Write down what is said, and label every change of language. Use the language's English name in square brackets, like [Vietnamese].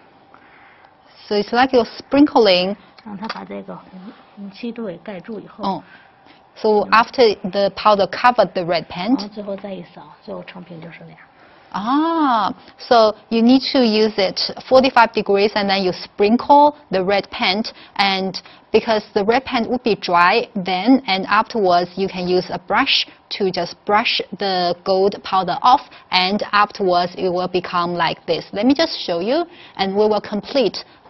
[Chinese] 这个轻点一下,我先给您做个演示。对。站点,这个45度,从上往下。哦。从上往下。So [English] it's like you're sprinkling. [Chinese] 让它把这个红漆都给盖住以后。 [English] So after the powder covered the red paint, [Chinese] 最后再一扫,最后成品就是那样。 [English] So you need to use it 45 degrees and then you sprinkle the red paint, and because the red paint would be dry then, and afterwards you can use a brush to just brush the gold powder off, and afterwards it will become like this. Let me just show you, and we will complete